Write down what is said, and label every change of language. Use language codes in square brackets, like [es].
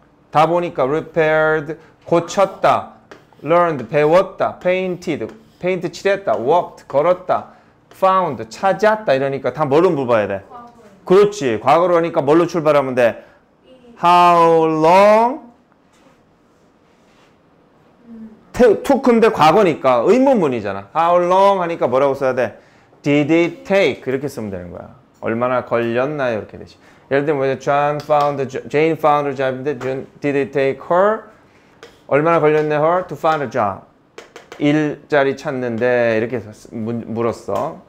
[ko] 다 보니까 repaired 고쳤다, learned 배웠다, painted 페인트 칠했다, walked, 걸었다, found, 찾았다 이러니까 다 뭘로 물어봐야 돼? 과거. 그렇지. 과거로 하니까 뭘로 출발하면 돼? [en] How long? [ko] took인데 과거니까 의문문이잖아. [en] How long [ko] 하니까 뭐라고 써야 돼? [en] Did it take? [ko] 이렇게 쓰면 되는 거야. 얼마나 걸렸나요? 이렇게 되지. [en] 예를 들면 John found, Jane found a job. Did it take her? [ko] 얼마나 걸렸네 [en] her to find a job? [ko] 일자리 찾는데 이렇게 물었어.